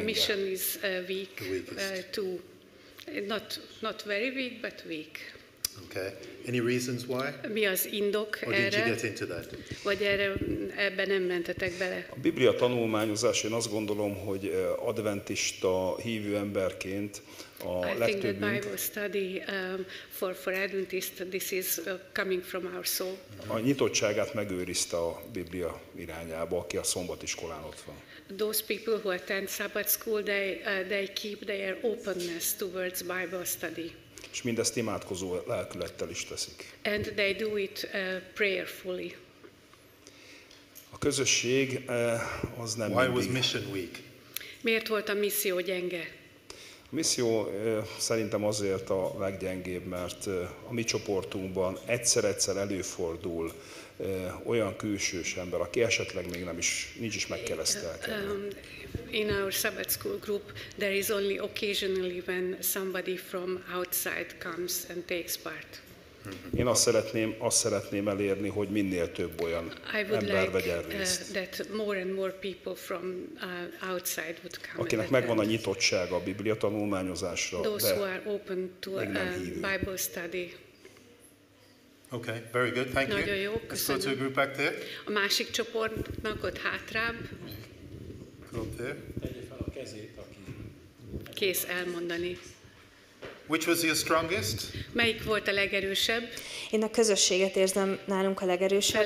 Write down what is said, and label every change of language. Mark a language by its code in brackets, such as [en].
[en] Mission is weak, too. Not very weak, but weak. Okay. Any reasons why? [hu] Mi az indok erre? [en] Or did you get into that? [hu] Vagy erre ebben nem mentetek bele? A Biblia tanulmányozás, én azt gondolom, hogy adventista hívő emberként a legtöbbünk. [en] I think the Bible study for Adventist, this is coming from our soul. [hu] A nyitottságát megőrizte a Biblia irányába, aki a szombatiskolán ott van. [en] Those people who attend Sabbath school, they keep their openness towards Bible study. [hu] És mindezt imádkozó lelkülettel is teszik. [en] And they do it prayerfully. [hu] A közösség az nem mindig. [en] Why was mission weak? [hu] Miért volt a misszió gyenge? A misszió szerintem azért a leggyengébb, mert a mi csoportunkban egyszer-egyszer előfordul olyan külsős ember, aki esetleg még nem is, nincs is megkeresztelkedve. [en] In our Sabbath school group, there is only occasionally when somebody from outside comes and takes part. [hu] Én azt szeretném elérni, hogy minél több olyan ember vegyen részt. [en] I would like that more and more people from outside would come. [hu] Akinek megvan a nyitottsága a Biblia tanulmányozásra, [en] those who are open to a Bible study. Okay, very good, thank you. [hu] Nagyon jó, köszönöm. [en] Let's go to a group back there. [hu] A másik csoportnak ott hátrább. Kész elmondani. [en] Which was your strongest? [hu] Melyik volt a legerősebb? Én a közösséget érzem nálunk a legerősebbnek.